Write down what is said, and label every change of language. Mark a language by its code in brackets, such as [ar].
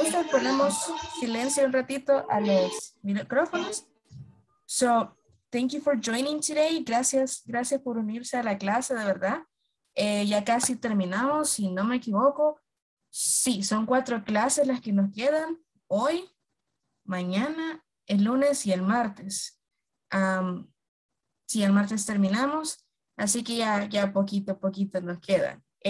[es] Ponemos silencio un ratito a los micrófonos. [en] So, thank you for joining today. [es] Gracias por unirse a la clase, de verdad. Ya casi terminamos, si no me equivoco. Sí, son 4 clases las que nos quedan hoy, mañana, el lunes y el martes. Sí, el martes terminamos, así que ya poquito nos quedan.